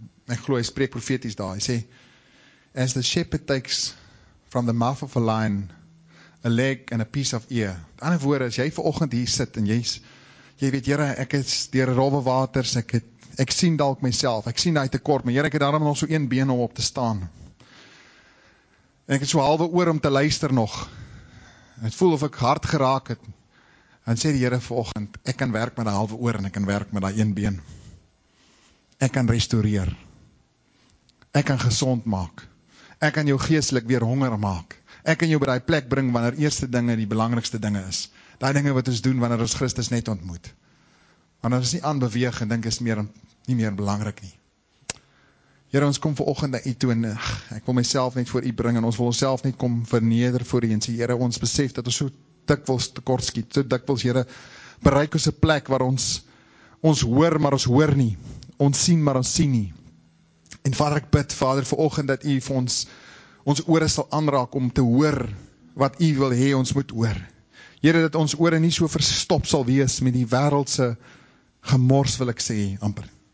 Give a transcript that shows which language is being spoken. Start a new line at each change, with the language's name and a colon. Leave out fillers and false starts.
Afrikaans: Ek glo hy spreek profeties daar. Hy sê,
English: as the shepherd takes from the mouth of a lion a leg and a piece of ear.
Afrikaans: Met ander woorde, as jy vanoggend hier sit en jy weet, Here, ek is deur rowwe waters, ek sien dalk myself, ek sien daai tekort, maar Here, ek het daarom nog so een been om op te staan. En ek het so halwe oor om te luister nog. Het voel of ek hard geraak het. En sê die Here vanoggend, ek kan werk met 'n halwe oor en ek kan werk met daai een been. Ek kan restoreer. Ek kan gesond maak. Ek kan jou geestelik weer honger maak. Ek kan jou by die plek bring wanneer eerste dinge die belangrikste dinge is. Die dinge wat ons doen wanneer ons Christus net ontmoet. Wanneer ons nie aanbeweeg en dink is meer, nie meer belangrik nie. Here, ons kom vanoggend na u toe en ek wil myself net voor u bring en ons wil onsself net kom verneder voor u en sê Here, ons besef dat ons so dikwels tekort skiet. So dikwels, Here, bereik ons 'n plek waar ons hoor, maar ons hoor nie. Ons sien, maar ons sien nie. En Vader, ek bid, Vader, vanoggend dat u vir ons ore sal aanraak om te hoor wat u wil hê ons moet hoor. Here, dat ons ore nie so verstop sal wees met die wêreldse gemors, wil ek sê, amper.